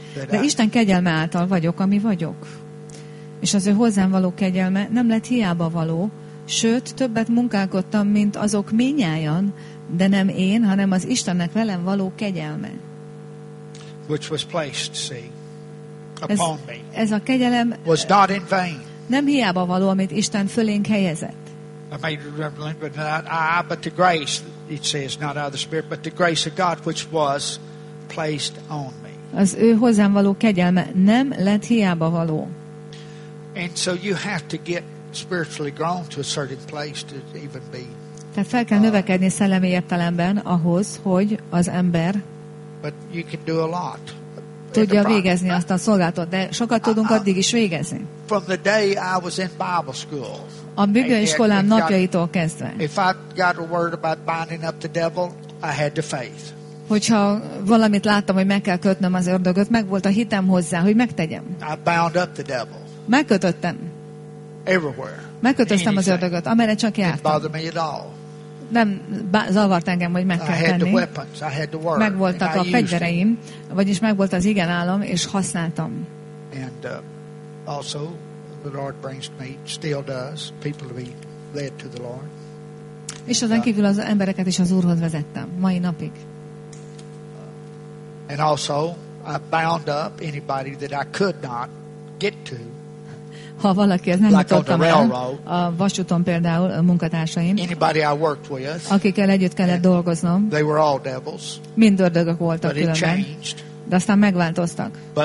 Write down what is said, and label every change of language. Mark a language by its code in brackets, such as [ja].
[hu] De Isten kegyelme által vagyok, ami vagyok. És az ő hozzám való kegyelme nem lett hiába való, sőt, többet munkálkodtam, mint azok minnyájan, de nem én, hanem az Istennek velem való kegyelme. [en] Which was placed, see. [hu] Ez a kegyelem [en] was not in vain. [hu] Nem hiába való, amit Isten fölénk helyezett. [en] I may remember that but the grace, it says, not out of the Spirit, but the grace of God, which was placed on me. [hu] Az ő hozzám való kegyelme nem lett hiába való. [en] And so you have to get spiritually grown to a certain place to even be. [hu] Tehát fel kell növekedni szellemi értelemben ahhoz, hogy az ember. [en] But you can do a lot. [hu] Tudja végezni azt a szolgálatot, de sokat tudunk addig is végezni. [en] From the day I was in Bible school, [hu] a bibliaiskolám napjaitól kezdve. [en] If I got a word about binding up the devil, I had the faith. [hu] Hogyha valamit láttam, hogy meg kell kötnöm az ördögöt, meg volt a hitem hozzá, hogy megtegyem. [en] I bound up the devil. [hu] Megkötöttem. [en] Everywhere. [hu] Megkötöztem az ördögöt, amerre csak jártam. [en] Didn't bother me at all. [hu] Nem zavart engem, hogy meg kell tenni. Megvoltak a fegyvereim, vagyis megvolt az igen állam, és használtam. [en] And also, the Lord brings me, still does, people to be led to the Lord. [hu] És azon kívül az embereket is az Úrhoz vezettem, mai napig. [en] And also, I bound up anybody that I could not get to. [hu] Ha valaki, ez nem jutottam el, a vasúton például a munkatársaim, akikkel együtt kellett dolgoznom, mind ördögök voltak különben, de aztán megváltoztak.